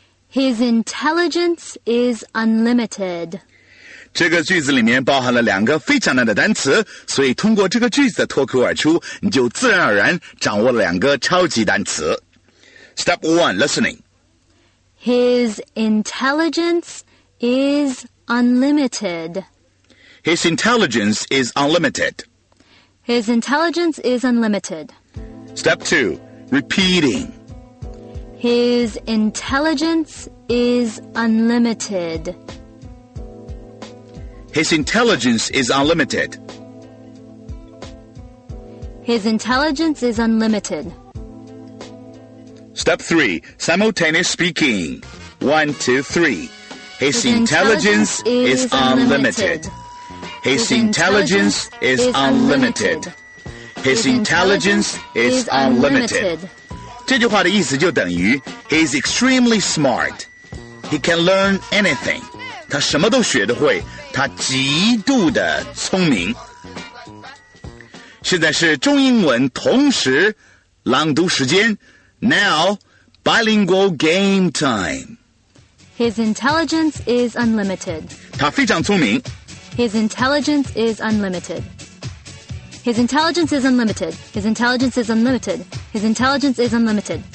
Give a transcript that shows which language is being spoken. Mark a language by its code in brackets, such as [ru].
[en] His intelligence is unlimited. [zh] 这个句子里面包含了两个非常难的单词，所以通过这个句子的脱口而出，你就自然而然掌握了两个超级单词。 [en] Step 1, listening. His intelligence is unlimited. His intelligence is unlimited. His intelligence is unlimited. Step 2. Repeating. His intelligence is unlimited. His intelligence is unlimited. His intelligence is unlimited. Step 3. Simultaneous speaking. 1, 2, 3. His intelligence is unlimited. His intelligence is unlimited. His intelligence is unlimited. [zh] 这句话的意思就等于 [en] He's extremely smart. He can learn anything. [zh] 他什么都学得会，他极度的聪明。现在是中英文同时朗读时间。 [en] Now, bilingual game time. His intelligence is unlimited. [zh] 他非常聪明。 [en] His intelligence is unlimited. His intelligence is unlimited. His intelligence is unlimited. His intelligence is unlimited.